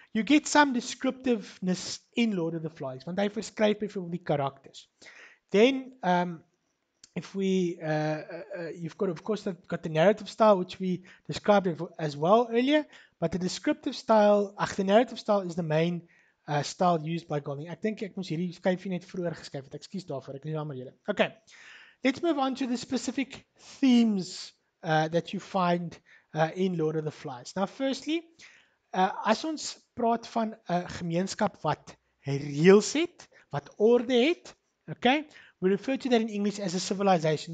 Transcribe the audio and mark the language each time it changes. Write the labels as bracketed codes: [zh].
[en] You get some descriptiveness in Lord of the Flies, want they describe it from the characters. Then, you've got, of course, got the narrative style, which we described as well earlier, but the descriptive style, the narrative style is the main style used by Golding. [af] Ek dink ek moes hierdie skryfie net vroeër geskryf het. Ekskuus daarvoor, ek is jammer julle. [en] Okay, let's move on to the specific themes that you find in Lord of the Flies. Now, firstly, [af] as ons praat van 'n gemeenskap wat reëls het, wat orde het, [en] okay, we refer to that in English as a civilization.